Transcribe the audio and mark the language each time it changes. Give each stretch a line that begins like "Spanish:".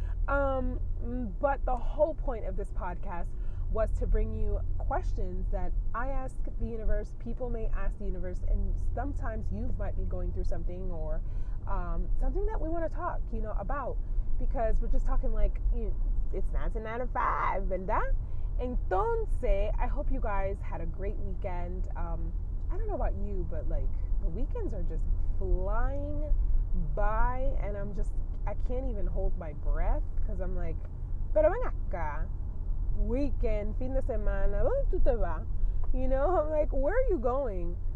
English: But the whole point of this podcast was to bring you questions that I ask the universe, people may ask the universe, and sometimes you might be going through something or something that we want to talk, you know, about, because we're just talking like, you know, it's 1995, ¿verdad? Entonces, I hope you guys had a great weekend. I don't know about you, but like, the weekends are just flying by, and I can't even hold my breath, because I'm like,
Spanish: pero ven acá. Weekend, fin de semana, ¿dónde tú te vas?
English: You know, I'm like, where are you going?